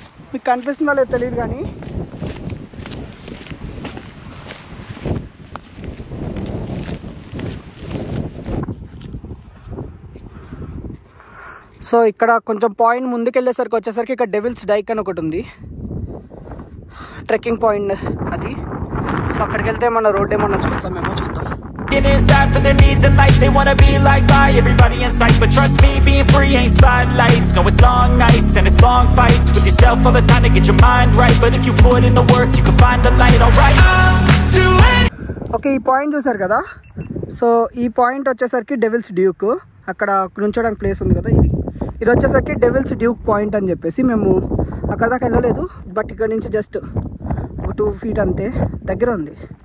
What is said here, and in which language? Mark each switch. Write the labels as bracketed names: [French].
[Telugu] మీకు కనిపిస్తుందా లేదు తెలియదు కానీ సో ఇక్కడ కొంచెం పాయింట్ ముందుకెళ్ళేసరికి వచ్చేసరికి ఇక్కడ డెవిల్స్ డైక్ అని ఒకటి ఉంది, ట్రెక్కింగ్ పాయింట్ అది. సో అక్కడికి వెళ్తే మన రోడ్ ఏమన్నా చూస్తాం మేము. చూద్దాం. [English] It is sad for the needs of life, they wanna be liked by everybody in sight. But trust me, being free ain't spotlights. No, it's long nights and it's long fights with yourself all the time to get your mind right. But if you put in the work, you can find the light, alright? [Telugu] Okay, ఈ point చూసారు కదా. So ఈ point వచ్చేసరికి devils Duke, అక్కడ నుంచోడానికి place ఉంది కదా ఇది. ఇది వచ్చేసరికి డెవిల్స్ డ్యూక్ పాయింట్ అని చెప్పేసి. మేము అక్కడ దాకా వెళ్ళలేదు, బట్ ఇక్కడ నుంచి జస్ట్ ఒక 2 feet అంతే దగ్గర ఉంది.